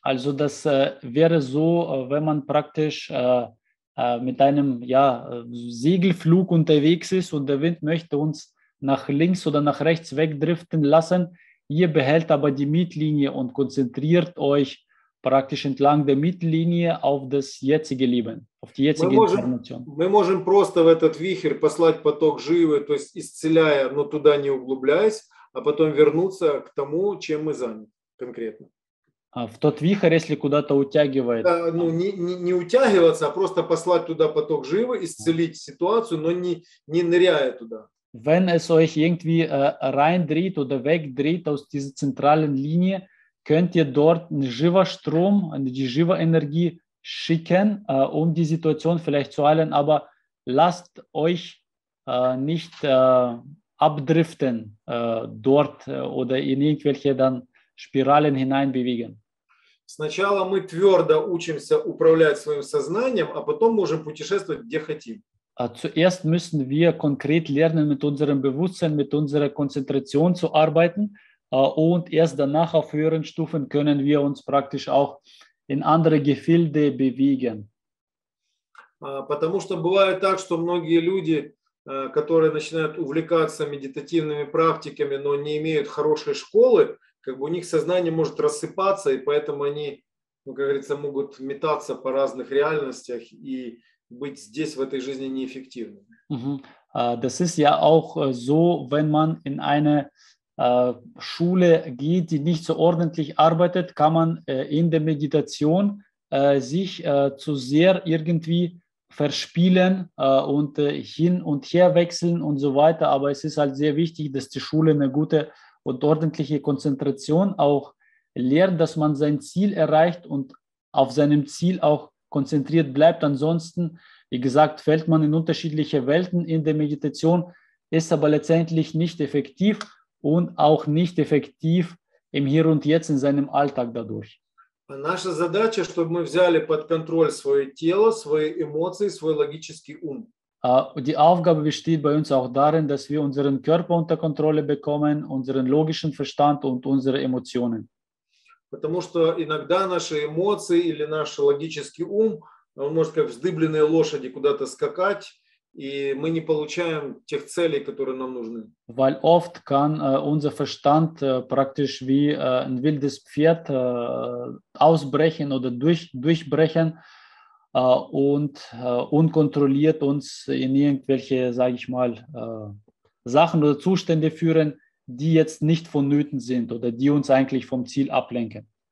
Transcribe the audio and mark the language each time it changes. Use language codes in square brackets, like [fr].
[de] Also das wäre so, wenn man praktisch mit einem ja, Segelflug unterwegs ist und der Wind möchte uns nach links oder nach rechts wegdriften lassen. Ihr behält aber die Mittellinie und konzentriert euch praktisch entlang der Mittellinie auf das jetzige Leben, auf die jetzige Information. [ru] Мы можем просто в этот вихрь послать поток живы, то есть исцеляя, но туда не углубляясь, а потом вернуться к тому, чем мы заняты конкретно. В тот вихрь, если куда-то утягивает. Да, ну, не утягиваться, а просто послать туда поток живы, исцелить ситуацию, но не ныряя туда. [de] Wenn es euch irgendwie reindreht oder wegdreht aus dieser zentralen Linie, könnt ihr dort einen Jiva-Strom, die Jiva-Energie schicken, um die Situation vielleicht zu heilen, aber lasst euch nicht abdriften dort oder in irgendwelche dann Spiralen hineinbewegen. [ru] Сначала мы твердо учимся управлять своим сознанием, а потом можем путешествовать, где хотим. [de] Zuerst müssen wir konkret lernen, mit unserem Bewusstsein, mit unserer Konzentration zu arbeiten und erst danach auf höheren Stufen können wir uns praktisch auch in andere Gefilde bewegen. [ru] Потому что бывает так, что многие люди, которые начинают увлекаться медитативными практиками, но не имеют хорошей школы, как бы у них сознание может рассыпаться, и поэтому они, ну, как говорится, могут метаться по разных реальностях и быть здесь в этой жизни неэффективным. [de] Das ist ja auch so, wenn man in eine Schule geht, die nicht so ordentlich arbeitet, kann man in der Meditation sich zu sehr irgendwie verspielen und hin und her wechseln und so weiter. Aber es ist halt sehr wichtig, dass die Schule eine gute und ordentliche Konzentration auch lehrt, dass man sein Ziel erreicht und auf seinem Ziel auch konzentriert bleibt. Ansonsten, wie gesagt, fällt man in unterschiedliche Welten in der Meditation, ist aber letztendlich nicht effektiv und auch nicht effektiv im Hier und Jetzt in seinem Alltag dadurch. [ru] Наша задача, чтобы мы взяли под контроль свое тело, свои эмоции, свой логический ум. [de] Die Aufgabe besteht bei uns auch darin, dass wir unseren Körper unter Kontrolle bekommen, unseren logischen Verstand und unsere Emotionen. [ru] Потому что иногда наши эмоции или наш логический ум, он может как вздыбленные лошади куда-то скакать, и мы не получаем тех целей, которые нам нужны. [de] Weil oft kann unser Verstand praktisch wie ein wildes Pferd ausbrechen oder durchbrechen und unkontrolliert uns in irgendwelche, sage ich mal, Sachen oder Zustände führen, die jetzt nicht vonnöten sind oder die uns eigentlich vom Ziel ablenken.